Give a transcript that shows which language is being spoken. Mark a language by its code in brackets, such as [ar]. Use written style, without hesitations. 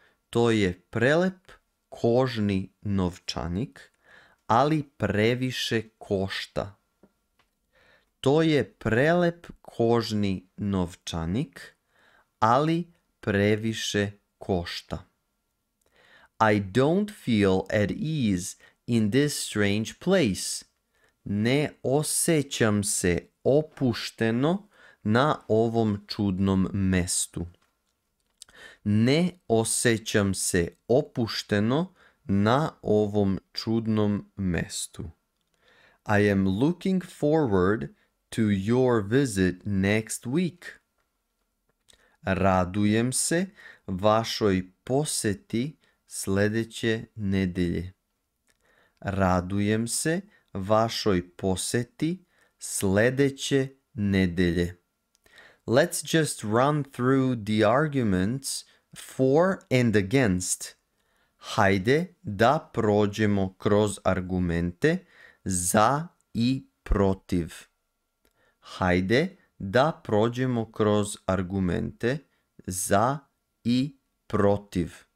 [sr] To je prelep kožni novčanik, ali previše košta. To je prelep kožni novčanik, ali previše košta. [en] I don't feel at ease in this strange place. [sr] Ne osjećam se opušteno na ovom čudnom mestu. Ne osjećam se opušteno na ovom čudnom mestu. [en] I am looking forward to your visit next week. [sr] Radujem se vašoj poseti sljedeće nedelje. Radujem se vašoj poseti sljedeće nedelje. [en] Let's just run through the arguments for and against. [sr] Hajde da prođemo kroz argumente za i protiv. Hajde da prođemo kroz argumente za i protiv.